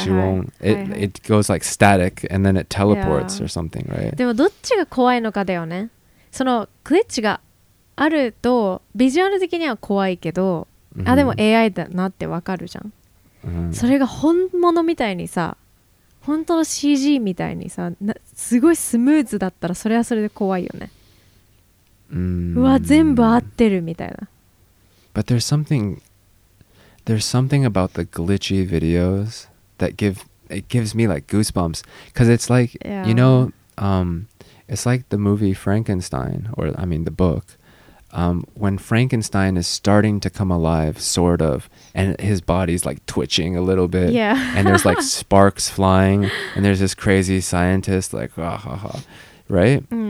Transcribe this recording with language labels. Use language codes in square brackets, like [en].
[en] like 呪音、it goes like static and then it teleports or something, right? [ja] でもどっちが怖いのかだよね。そのグリッチがあるとビジュアル的には怖いけど、あ、でも AI だなってわかるじゃん。それが本物みたいにさ、本当の CG みたいにさ、すごいスムーズだったらそれはそれで怖いよね。うわ、全部合ってるみたいな。 [en] But there's something about the glitchy videos that gives me like goosebumps. Because it's like, you know, it's like the movie Frankenstein, or I mean the book. When Frankenstein is starting to come alive, sort of, and his body's like twitching a little bit, and there's like sparks flying, and there's this crazy scientist like, ah, ha, ha, right?